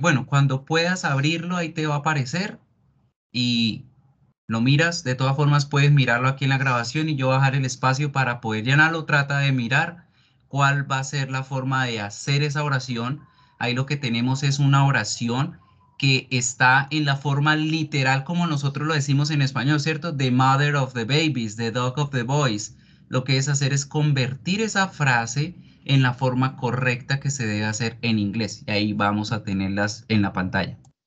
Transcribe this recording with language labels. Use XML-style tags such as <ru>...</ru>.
<es>Bueno, cuando puedas abrirlo, ahí te va a aparecer. Y lo miras, de todas formas puedes mirarlo aquí en la grabación y yo bajar el espacio para poder llenarlo. Trata de mirar cuál va a ser la forma de hacer esa oración. Ahí lo que tenemos es una oración que está en la forma literal, como nosotros lo decimos en español, ¿cierto?</es> <en>The mother of the babies, the dog of the boys.</en> <es>Lo que es hacer es convertir esa frase en la forma correcta que se debe hacer en inglés. Y ahí vamos a tenerlas en la pantalla.</es>